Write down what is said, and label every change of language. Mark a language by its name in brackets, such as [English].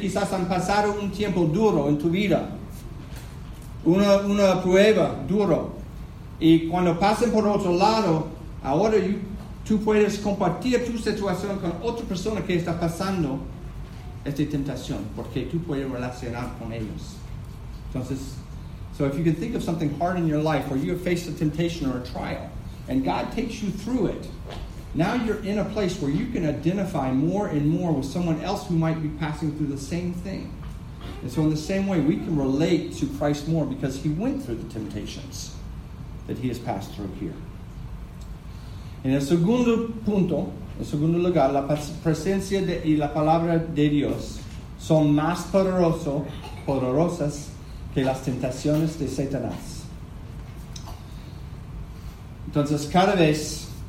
[Spanish] Quizás han pasado un tiempo duro en tu vida, una prueba duro, y cuando pasen por otro lado, ahora tú puedes compartir tu situación con otra persona que está pasando esta tentación, porque tú puedes relacionar con ellos. [English] Entonces, so if you can think of something hard in your life, or you have faced a temptation or a trial, and God takes you through it, now you're in a place where you can identify more and more with someone else who might be passing through the same thing. And so in the same way, we can relate to Christ more because He went through the temptations that He has passed through here. [Spanish] En el segundo punto, en segundo lugar, la presencia y la palabra de Dios son más poderosas que las tentaciones de Satanás. Entonces, cada vez